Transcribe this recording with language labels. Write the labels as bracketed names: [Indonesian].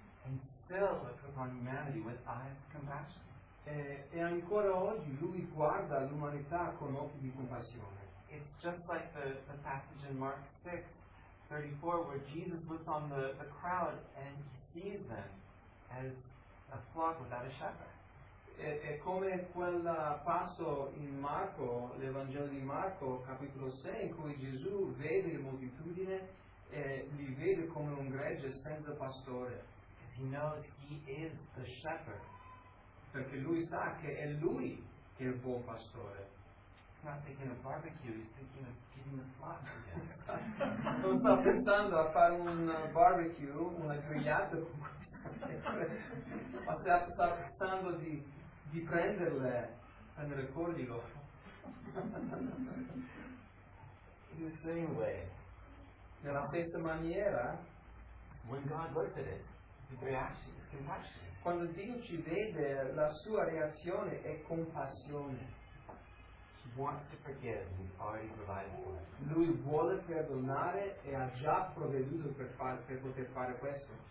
[English] And still looked upon humanity with eyes of compassion. [Italian] E ancora oggi lui guarda l'umanità con occhi di compassione. [English] It's just like the passage in Mark 6:34 where Jesus looks on the crowd and sees them as a flock without a shepherd. [Italian] È come quel passo in Marco, l'Evangelo di Marco, capitolo 6, in cui Gesù vede le moltitudine e li vede come un gregge senza pastore. [English] He knows he is the shepherd. [Italian] Perché lui sa che è lui che è il buon pastore. [English] Not thinking of barbecue, he's thinking of feeding the flock again. [Italian] Non sta pensando a fare un barbecue, una grigliata, ma sta pensando di prendere cornico. [English] In the same way, [Italian] nella stessa maniera, [English] when God looked at it, his reaction is compassion. [Italian] Quando Dio ci vede, la sua reazione è compassione. [English] He wants to forgive and he's already provided for it. [Italian] Lui vuole perdonare e ha già provveduto per poter fare questo.